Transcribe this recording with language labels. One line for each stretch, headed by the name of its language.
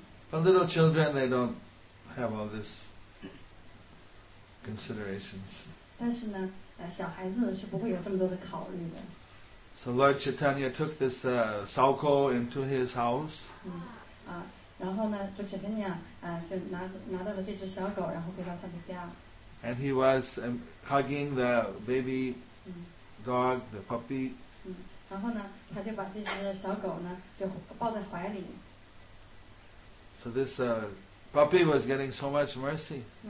English: But little children, they don't have all this considerations.
Chinese: 但是呢，小孩子是不会有这么多的考虑的。
English: So Lord Chaitanya took this Sauko into his house.
Chinese: 然后呢，卓切特尼亚就拿到了这只小狗，然后回到他的家。
English: And he was hugging the baby dog, the puppy.
Chinese: 然后呢，他就把这只小狗呢就抱在怀里。
English: So this Puppy was getting so much mercy.